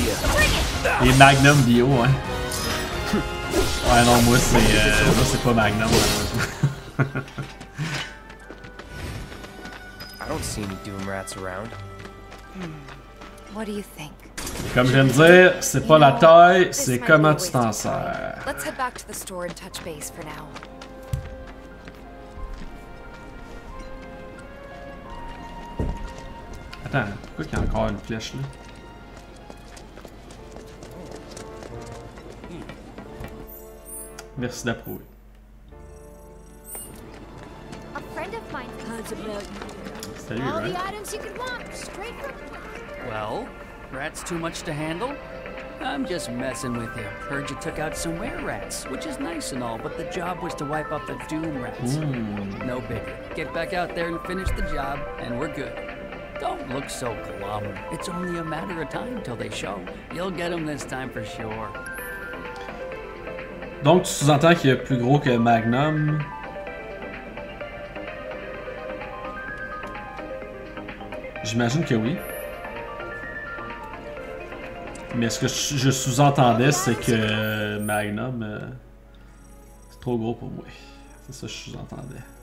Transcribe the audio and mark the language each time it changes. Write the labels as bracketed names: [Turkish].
[English] Yeah. Bring it. [French] Les Magnum bio, hein. Ouais, non, moi c'est pas Magnum. [English] I don't see any Doom Rats around. What do you think? [French] Comme je viens de dire, c'est pas la taille, c'est comment tu t'en sers. [English] Let's head back to the store and touch base for now. [French] Attends, pourquoi qu'il y a encore une flèche là? Merci d'approuver. [English] A friend of mine comes about. [French] Salut, [English] all the items you could want, straight from. Well, rats too much to handle? I'm just messing with you. Heard you took out some were rats, which is nice and all, but the job was to wipe out the Doom Rats. No biggie. Get back out there and finish the job, and we're good. Don't look so glum. It's only a matter of time till they show. You'll get them this time for sure. [French] Donc tu sous-entends qu'il est plus gros que Magnum. J'imagine que oui. Mais ce que je sous-entendais, c'est que Magnum c'est trop gros pour moi. C'est ça que je sous-entendais.